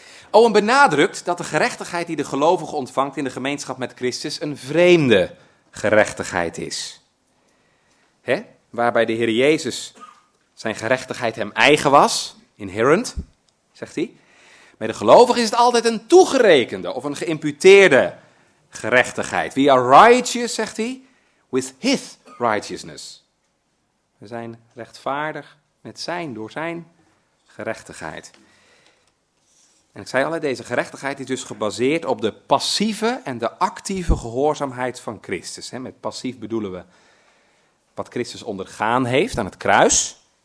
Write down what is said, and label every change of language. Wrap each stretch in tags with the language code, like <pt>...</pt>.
<nl>Owen benadrukt dat de gerechtigheid die de gelovige ontvangt in de gemeenschap met Christus een vreemde gerechtigheid is. Hè? Waarbij de Heer Jezus zijn gerechtigheid hem eigen was, inherent, zegt hij. Bij de gelovige is het altijd een toegerekende of een geïmputeerde gerechtigheid.</nl> <en>We are righteous,</en> <nl>zegt hij,</nl> <en>with his righteousness.</en> <nl>We zijn rechtvaardig met zijn, door zijn gerechtigheid. En ik zei al, deze gerechtigheid is dus gebaseerd op de passieve en de actieve gehoorzaamheid van Christus. Met passief bedoelen we wat Christus ondergaan heeft aan het kruis.</nl>